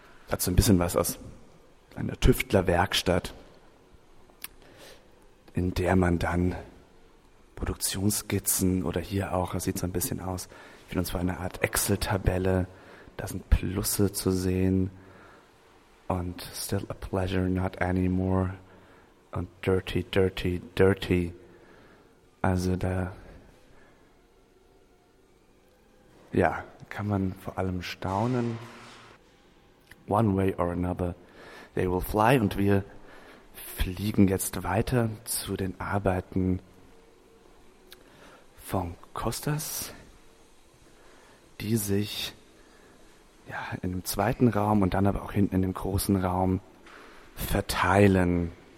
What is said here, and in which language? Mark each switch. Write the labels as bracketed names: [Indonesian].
[German] Hat so ein bisschen was aus einer Tüftlerwerkstatt, in der man dann Produktionsskizzen oder hier auch, das sieht so ein bisschen aus, ich finde, und zwar eine Art Excel-Tabelle, da sind Plusse zu sehen und [English] still a pleasure, not anymore. [German] Und [English] dirty, dirty, dirty. [German] Also da ja, kann man vor allem staunen. [English] One way or another, they will fly. [German] Und wir fliegen jetzt weiter zu den Arbeiten von Kostas, die sich ja, in dem zweiten Raum und dann aber auch hinten in dem großen Raum verteilen.